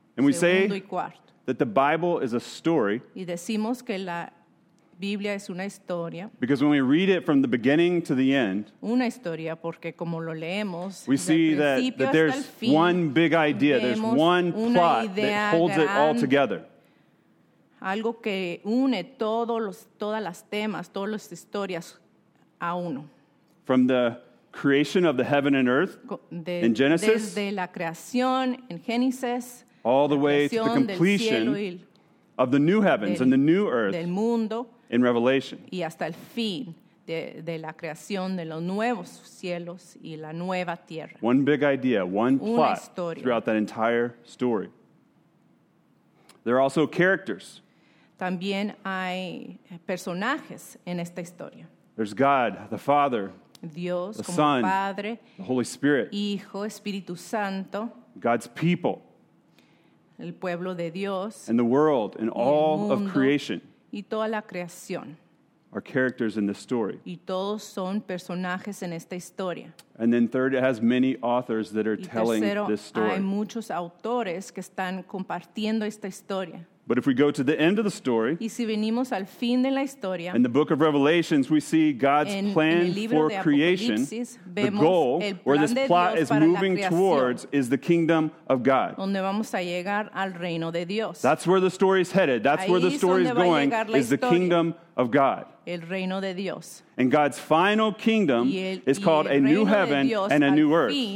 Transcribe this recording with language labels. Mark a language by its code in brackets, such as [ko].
[en] And we say that the Bible is a story. [es] Y decimos que la Biblia es una historia. [en] Because when we read it from the beginning to the end, [es] una historia porque como lo leemos, [en] we see that there's one big idea, there's one plot that holds it all together. [es] Algo que une todas las temas, todas las historias a uno. [en] From the creation of the heaven and earth in Genesis, [es] desde la creación en Génesis, [en] all the way to the completion of the new heavens and the new earth [es] del mundo, [en] in Revelation. [es] Y hasta el fin de la creación de los nuevos cielos y la nueva tierra. [en] One big idea, one plot throughout that entire story. There are also characters. [es] También hay personajes en esta historia. [en] There's God, the Father, [es] Dios, [en] the [es] como [en] Son, [es] Padre, [en] the Holy Spirit, [es] Hijo, Espíritu Santo, [en] God's people, [es] el pueblo de Dios, [en] and the world, and all of creation, [es] y toda la creación, [en] are characters in this story. [es] Y todos son personajes en esta historia. [en] And then third, it has many authors that are telling this story. [es] Hay muchos autores que están compartiendo esta historia. [en] But if we go to the end of the story, [es] y si venimos al fin de la historia, [en] in the book of Revelations, we see God's plan for creation. The goal, where this plot is moving towards, is the kingdom of God. [es] Donde vamos a llegar al reino de Dios. [en] That's where the story is headed. That's [es] ahí [en] where the story is going, is the kingdom of God. [es] El reino de Dios. [en] And God's final kingdom is called a new heaven and a new earth.